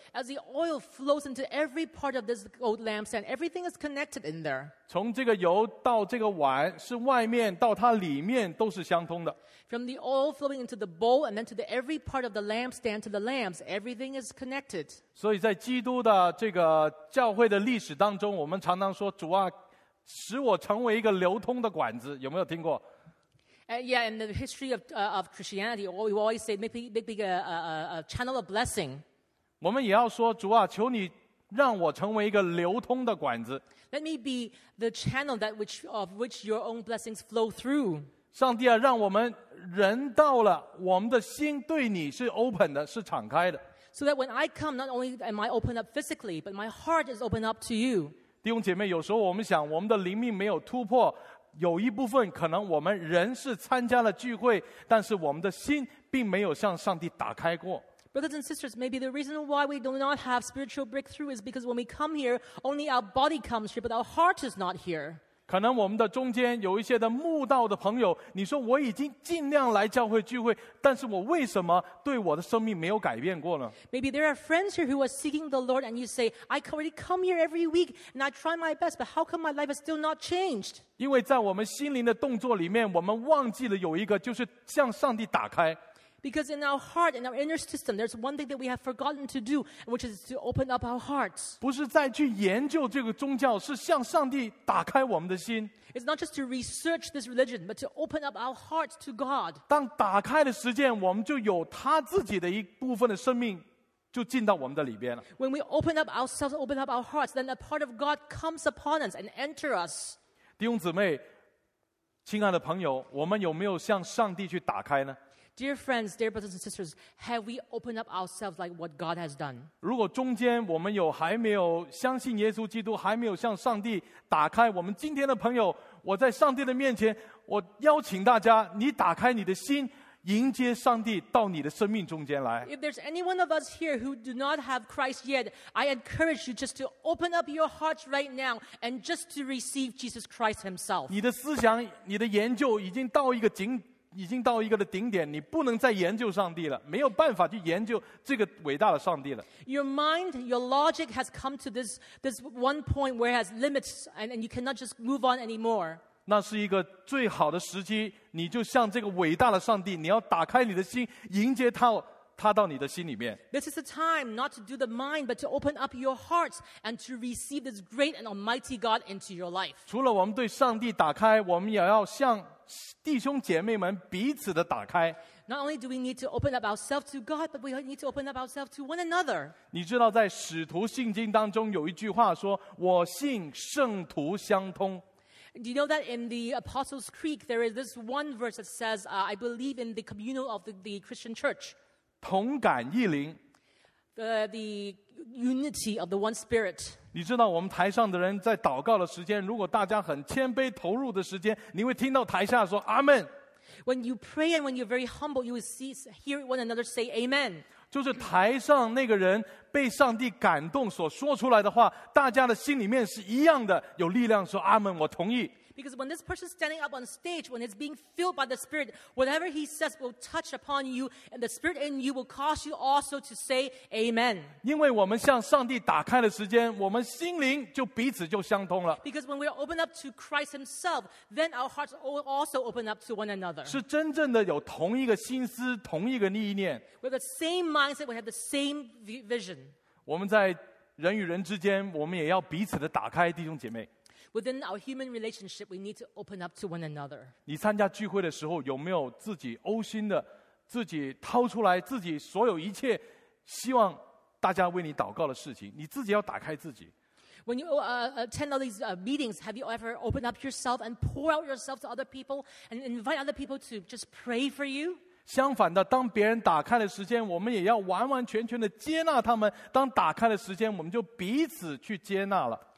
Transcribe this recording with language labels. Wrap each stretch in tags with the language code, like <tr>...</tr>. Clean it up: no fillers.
<en>As the oil flows into every part of this gold lampstand, everything is connected in there.</en> <zh>从这个油到这个碗，是外面到它里面都是相通的。</zh> <en>From the oil flowing into the bowl and then to the every part of the lampstand to the lamps, everything is connected.</en> <zh>所以在基督的这个教会的历史当中，我们常常说主啊，使我成为一个流通的管子，有没有听过？</zh> <en>Yeah, in the history of Christianity, we always say make me a channel of blessing.</en> <zh>我们也要说主啊，求你让我成为一个流通的管子。</zh> <en>Let me be the channel that which of which your own blessings flow through.</en> <zh>上帝啊，让我们人到了，我们的心对你是 open 的，是敞开的。</zh> <en>So that when I come, not only am I open up physically, but my heart is open up to you.</en> <zh>弟兄姐妹，有时候我们想我们的灵命没有突破，有一部分可能我们人是参加了聚会，但是我们的心并没有向上帝打开过。</zh> <en>Brothers and sisters, maybe the reason why we do not have spiritual breakthrough is because when we come here, only our body comes here, but our heart is not here.</en> <zh>可能我们的中间有一些的慕道的朋友，你说我已经尽量来教会聚会，但是我为什么对我的生命没有改变过呢？</zh> <en>Maybe there are friends here who are seeking the Lord and you say, I already come here every week and I try my best, but how come my life is still not changed?</en> <zh>因为在我们心灵的动作里面，我们忘记了有一个就是向上帝打开。</zh> <en>Because in our heart, in our inner system, there's one thing that we have forgotten to do, which is to open up our hearts.</en> <zh>不是再去研究这个宗教，是向上帝打开我们的心。</zh> <en>It's not just to research this religion, but to open up our hearts to God.</en> <zh>当打开的时间，我们就有他自己的一部分的生命就进到我们的里边了。</zh> <en>When we open up ourselves, open up our hearts, then a part of God comes upon us and enters us.</en> <zh>弟兄姊妹，亲爱的朋友，我们有没有向上帝去打开呢？</zh> <en>Dear friends, dear brothers and sisters, have we opened up ourselves like what God has done?</en> <zh>如果中间我们有还没有相信耶稣基督，还没有向上帝打开，我们今天的朋友，我在上帝的面前，我邀请大家，你打开你的心，迎接上帝到你的生命中间来。</zh> <en>If there's any one of us here who do not have Christ yet, I encourage you just to open up your hearts right now and just to receive Jesus Christ himself.</en> <zh>你的思想，你的研究已经到一个顶点。已经到一个的顶点，你不能再研究上帝了，没有办法去研究这个伟大的上帝了。</zh> <en>Your mind, your logic has come to this one point where it has limits, and you cannot just move on anymore.</en> <zh>那是一个最好的时机，你就向这个伟大的上帝，你要打开你的心，迎接他到你的心里面。</zh> <en>This is the time not to do the mind, but to open up your hearts and to receive this great and almighty God into your life.</en> <zh>除了我们对上帝打开，我们也要向弟兄姐妹们彼此的打开。</zh> <en>Not only do we need to open up ourselves to God, but we need to open up ourselves to one another.</en> <zh>你知道在使徒信经当中有一句话说，我信圣徒相通。</zh> <en>Do you know that in the Apostles' Creed, there is this one verse that says, I believe in the communion of the Christian church.</en> <zh>同感一灵。</zh> <en>The unity of the one spirit.</en> <zh>你知道我们台上的人在祷告的时间，如果大家很谦卑投入的时间，你会听到台下说阿们。</zh> <en>When you pray and when you're very humble, you will hear one another say amen.</en> <zh>就是台上那个人被上帝感动所说出来的话，大家的心里面是一样的，有力量说阿们，我同意。</zh> <en>Because when this person standing up on stage, when he's being filled by the Spirit, whatever he says will touch upon you, and the Spirit in you will cause you also to say Amen.</en> <zh>因为我们向上帝打开的时间，我们心灵就彼此就相通了。</zh> <en>Because when we are open up to Christ Himself, then our hearts also open up to one another.</en> <zh>是真正的有同一个心思，同一个意念。</zh> <en>We have the same mindset. We have the same vision.</en> <zh>我们在人与人之间，我们也要彼此的打开，弟兄姐妹。</zh> <en>Within our human relationship, we need to open up to one another.</en> <zh>你参加聚会的时候，有没有自己呕心的，自己掏出来自己所有一切，希望大家为你祷告的事情，你自己要打开自己。</zh> <en>When you attend all these meetings, have you ever opened up yourself and pour out yourself to other people and invite other people to just pray for you?</en> <zh>相反的，当别人打开的时间，我们也要完完全全的接纳他们。当打开的时间，我们就彼此去接纳了。</zh>